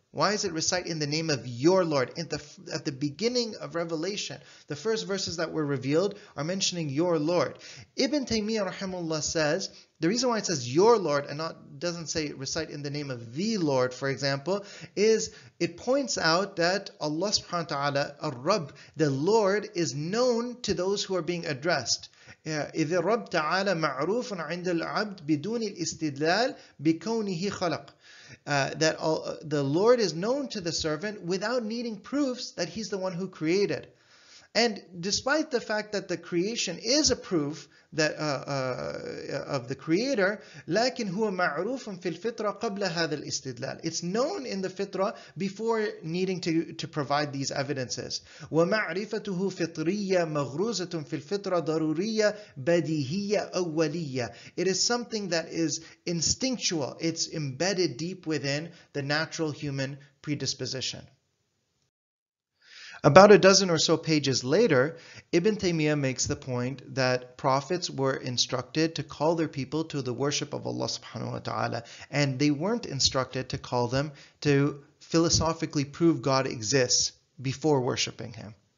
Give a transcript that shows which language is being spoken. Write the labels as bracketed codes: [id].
[en] Why is it recite in the name of your Lord? At the beginning of revelation, the first verses that were revealed are mentioning your Lord. Ibn Taymiyyah rahimahullah says, the reason why it says your Lord and not doesn't say recite in the name of the Lord, for example, is it points out that Allah subhanahu wa ta'ala, al-Rabb, the Lord, is known to those who are being addressed. [ar] إذا رب تعالى معروف عند العبد بدون الاستدلال بكونه خلق. [en] The Lord is known to the servant without needing proofs that he's the one who created. And despite the fact that the creation is a proof that of the creator, [ar] لكن هو معروف في الفطرة قبل هذا الاستدلال. [en] It's known in the fitrah before needing to provide these evidences. [ar] ومعرفته فطرية مغروزة في الفطرة ضرورية بديهية أولية. [en] It is something that is instinctual. It's embedded deep within the natural human predisposition. About a dozen or so pages later, Ibn Taymiyyah makes the point that prophets were instructed to call their people to the worship of Allah subhanahu wa ta'ala, and they weren't instructed to call them to philosophically prove God exists before worshiping him.